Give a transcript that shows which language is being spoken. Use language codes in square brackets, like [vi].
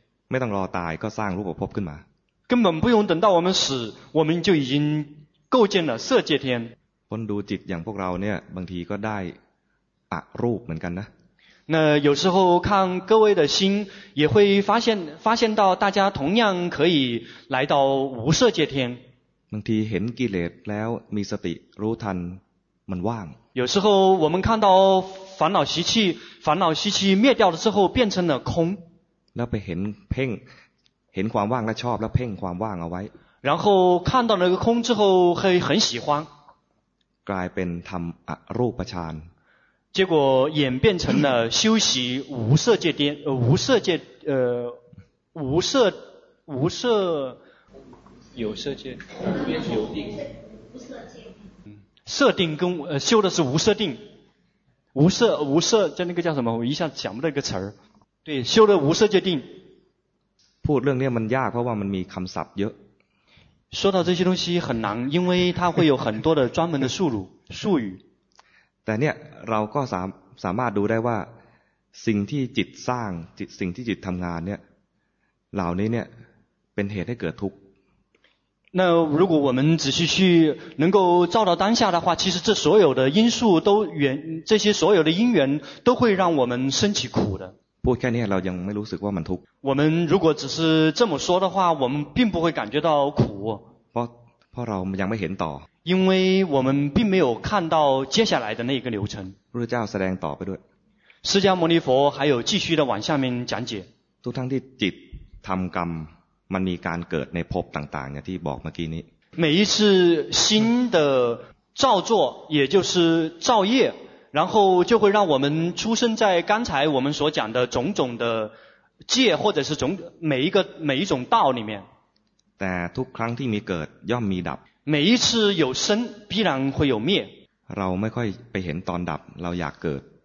[th] ไม่ต้องรอตายก็สร้างรูปภพขึ้นมา [zh] 根本不用等到我们死我们就已经构建了色界天 [th] คนดูจิตอย่างพวกเราเนี่ยบางทีก็ได้อรูปเหมือนกันนะ [zh] 那有时候看各位的心也会发现到大家同样可以来到无色界天 [th] บางทีเห็นกิเลสแล้วมีสติรู้ทันมันว่าง [zh] 有时候我们看到烦恼习气烦恼习气灭掉了之后变成了空 [th] แล้วไปเห็นเพ่งเห็นความว่างแล้วชอบแล้วเพ่งความว่างเอาไว้ [zh] 然后看到那个空之后会很喜欢 [th] กลายเป็นทำอรูปฌาน [zh] 结果演变成了修习无色界颠无色界无色无色有色界有定色定跟修的是无色定无色在那个叫什么我一下想不到一个词儿对修的无色界定 [th] พูดเรื่องนี้มันยากเพราะว่ามันมีคำศัพท์เยอะ [zh] 说到这些东西很难因为它会有很多的专门的术语 [th] แต่เนี่ยเราก็สามารถดูได้ว่าสิ่งที่จิตสร้างจิตสิ่งที่จิตทำงานเนี่ยเหล่านี้เนี่ยเป็นเหตุให้เกิดทุกข์ [zh] 那如果我们仔细去能够照到当下的话其实这所有的因素都缘这些所有的因缘都会让我们生起苦的 [th] พูดแค่นี้เรายังไม่รู้สึกว่ามันทุกข์ [zh] 我们如果只是这么说的话我们并不会感觉到苦 [th] เพราะเรายังไม่เห็นต่อ [zh] 因为我们并没有看到接下来的那个流程 [th] พระเจ้าแสดงต่อไปด้วย [zh] 释迦牟尼佛还有继续的往下面讲解 [th] ทุกทั้งที่จิตทำกรรมมันมีการเกิดในภพต่างๆอย่างที่บอกเมื่อกี้นี้ [zh] 每一次新的造作也就是造业然后就会让我们出生在刚才我们所讲的种种的界或者是种每一种道里面 [th] แต่ทุกครั้งที่มีเกิดย่อมมีดับ [zh] 每一次有生必然会有灭 [th] เราไม่ค่อยไปเห็นตอนดับเราอยากเกิด